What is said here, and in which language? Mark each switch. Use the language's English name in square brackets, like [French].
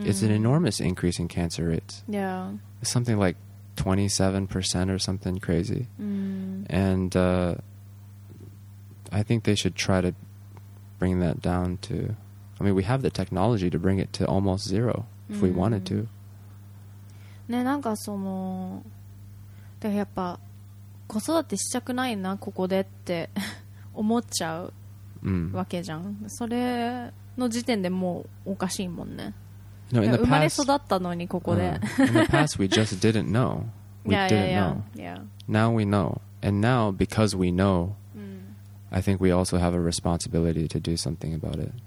[English] It's an enormous increase in cancer rates. Yeah. Something like 27% or something crazy. And I think they should try to bring that down to, I mean, we have the technology to bring it to almost zero if we wanted to. [Japanese] ね、なんかそのやっぱ子育てしたくないなここでって思っちゃうわけじゃん。それの時点でもうおかしいもんね。 [English] No, in the past, [Japanese] 生まれ育ったのにここで。 [English] In the past, we just didn't know. Now we know. And now, because we know, I think we also have a responsibility to do something about it.